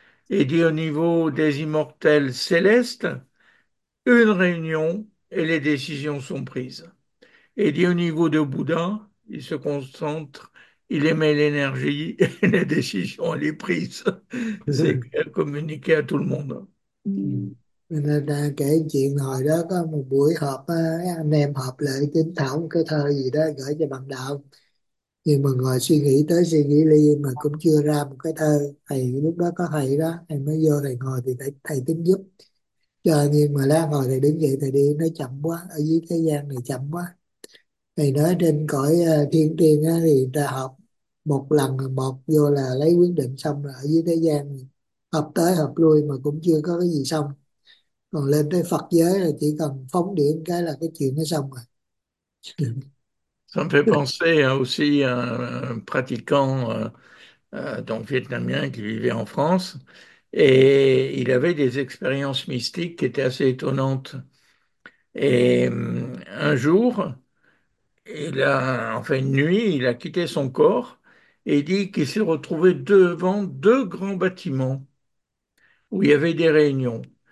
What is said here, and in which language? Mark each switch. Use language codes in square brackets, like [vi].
[fr] Et il dit, au niveau des immortels célestes, une réunion et les décisions sont prises. Et il dit, au niveau de Bouddha, il se concentre. Il émet l'énergie et les décisions, elle est prise. C'est communiqué à tout le monde. [vi] Nên đang kể chuyện hồi đó có một buổi họp anh em họp lại kinh thảo cái thơ gì đó gửi cho bằng đạo, nhưng mà ngồi suy nghĩ tới suy nghĩ đi mà cũng chưa ra một cái thơ. Thầy lúc đó có thầy đó, thầy mới vô thầy ngồi thì thầy tính giúp chờ, nhưng mà lát hồi thầy đứng dậy thầy đi, nó chậm quá, ở dưới thế gian này chậm quá. Thầy nói trên cõi thiên tiên á, thì ta học một lần một vô là lấy quyết định xong rồi, ở dưới thế gian này hợp tới hợp lui mà cũng chưa có cái gì xong, còn lên tới Phật giới là chỉ cần phóng điện cái là cái chuyện nó xong rồi. [fr] Ça me fait penser aussi à un pratiquant donc vietnamien qui vivait en France et il avait des expériences mystiques qui étaient assez étonnantes. Et un jour, enfin une nuit, il a quitté son corps et il dit qu'il s'est retrouvé devant deux grands bâtiments où il y avait des réunions.